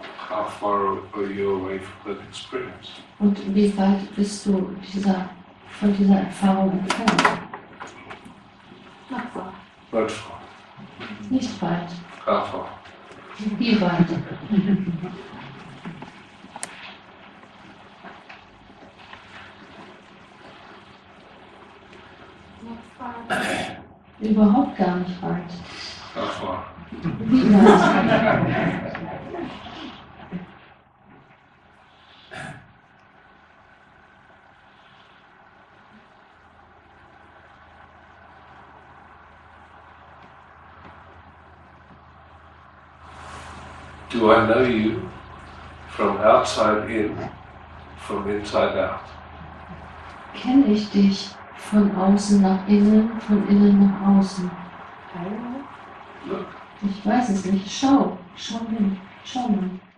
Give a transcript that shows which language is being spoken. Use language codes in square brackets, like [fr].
[en] How far are you away from that experience? [de] Und wie weit bist du von dieser Erfahrung entfernt? [en] Not far. Not far. [de] Nicht weit. [en] How far? [de] Wie weit? Überhaupt gar nicht weit. Ach, war. Wie weit? [en] Do I know you from outside in, from inside out? [de] Kenne ich dich? Von außen nach innen, von innen nach außen. [en] Look. [de] Ich weiß es nicht. Schau. Schau hin. Schau mal.